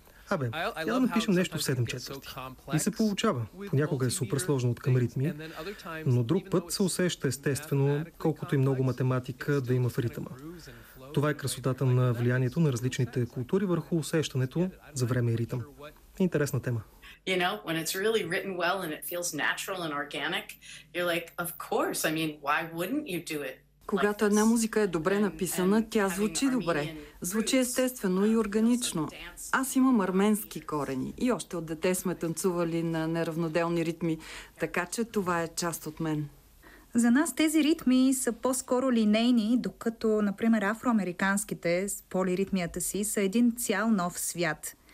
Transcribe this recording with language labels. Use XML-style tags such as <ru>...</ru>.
<bg>Абе, я да напишем нещо в 7 четвърти. И се получава. Понякога е супер сложно от към ритми, но друг път се усеща естествено, колкото и много математика да има в ритъма. Това е красотата на влиянието на различните култури върху усещането за време и ритъм. Интересна тема.</bg> <en>You know, when it's really written well and it feels natural and organic, you're like, of course, I mean, why wouldn't you do it?</en> <bg>Когато една музика е добре написана, тя звучи добре. Звучи естествено и органично. Аз имам арменски корени и още от дете сме танцували на неравноделни ритми, така че това е част от мен. За нас тези ритми са по-скоро линейни, докато, например, афроамериканските с полиритмията си са един цял нов свят.</bg>